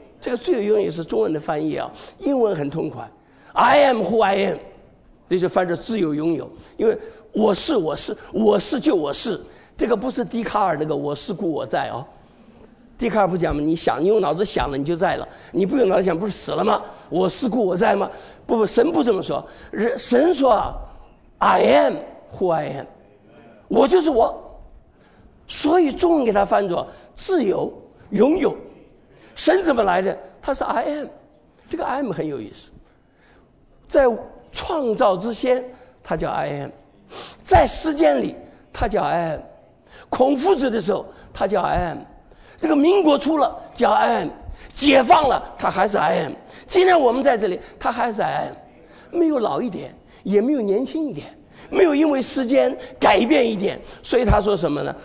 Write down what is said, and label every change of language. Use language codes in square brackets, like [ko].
[zh] 这个自由拥有是中文的翻译啊，英文很痛快， [en] I am who I am， [zh] 这就翻着自由拥有。因为我是我是我是就我是，这个不是笛卡尔那个我是故我在啊、哦。笛卡尔不讲吗？你想，你用脑子想了你就在了，你不用脑子想不是死了吗？我是故我在吗？不不，神不这么说。神说啊， [en] I am who I am， [zh] 我就是我。所以中文给他翻作自由拥有。神怎么来的？他是 I am。这个 I am 很有意思，在创造之先他叫 I am， 在时间里他叫 I am， 孔夫子的时候他叫 I am， 这个民国初了叫 I am， 解放了他还是 I am， 今天我们在这里他还是 I am， 没有老一点也没有年轻一点，没有因为时间改变一点。所以他说什么呢？